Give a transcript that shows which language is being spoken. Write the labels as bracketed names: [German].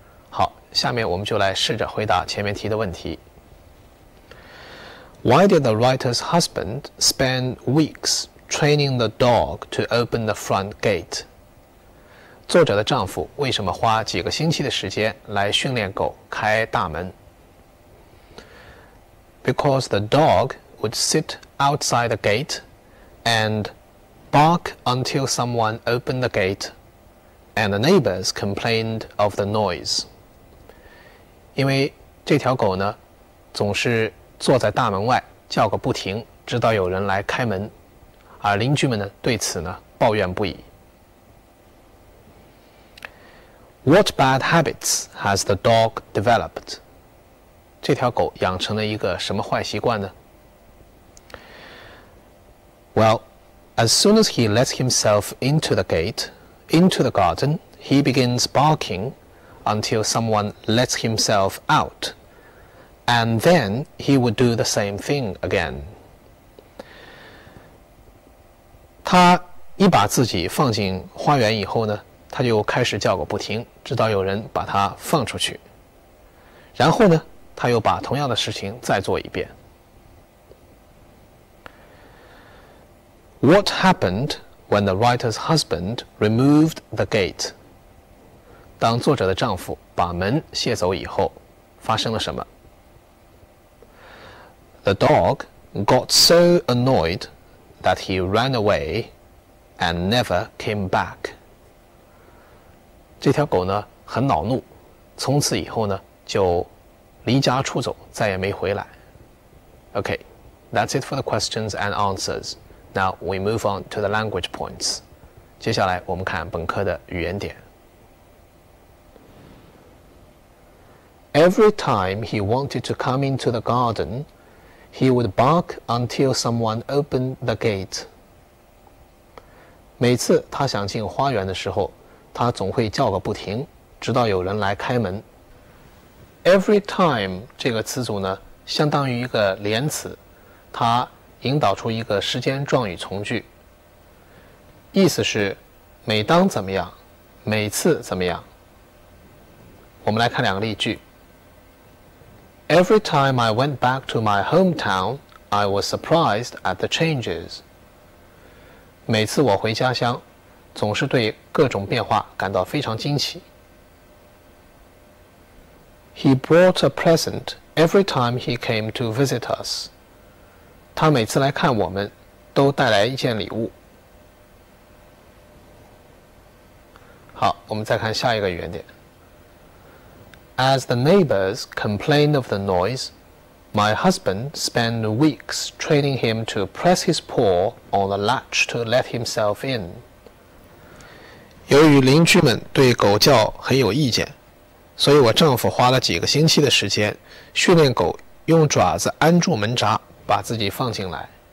[Chinese] 好，下面我们就来试着回答前面提的问题。 [English] Why did the writer's husband spend weeks training the dog to open the front gate? [Chinese] 作者的丈夫为什么花几个星期的时间来训练狗开大门？ [English] Because the dog would sit outside the gate and bark until someone opened the gate. And the neighbors complained of the noise. [Chinese] 因为这条狗呢，总是坐在大门外叫个不停，直到有人来开门，而邻居们呢对此呢抱怨不已。 [English] What bad habits has the dog developed? [Chinese] 这条狗养成了一个什么坏习惯呢？ [English] Well, as soon as he lets himself into the gate. Into the garden, he begins barking until someone lets himself out, and then he would do the same thing again. [Chinese] 他一把自己放进花园以后呢，他就开始叫个不停，直到有人把他放出去。然后呢，他又把同样的事情再做一遍。 [English] What happened?When the writer's husband removed the gate. [Chinese] 当作者的丈夫把门卸走以后，发生了什么？ [English] The dog got so annoyed that he ran away and never came back. [Chinese] 这条狗呢，很恼怒，从此以后呢，就离家出走，再也没回来。 [English] Okay, that's it for the questions and answers. Now we move on to the language points. [Chinese] 接下来我们看本科的语言点。 [English] Every time he wanted to come into the garden, he would bark until someone opened the gate. [Chinese] 每次他想进花园的时候，他总会叫个不停，直到有人来开门。 Every time 这个词组呢，相当于一个连词，它引导出一个时间状语从句，意思是每当怎么样，每次怎么样。我们来看两个例句。 [English] Every time I went back to my hometown, I was surprised at the changes. [Chinese] 每次我回家乡，总是对各种变化感到非常惊奇。 [English] He brought a present every time he came to visit us. [Chinese] 他每次来看我们，都带来一件礼物。好，我们再看下一个语言点。 [English] As the neighbors complained of the noise, my husband spent weeks training him to press his paw on the latch to let himself in. [Chinese] 由于邻居们对狗叫很有意见，所以我丈夫花了几个星期的时间训练狗用爪子按住门闸把自己放进来。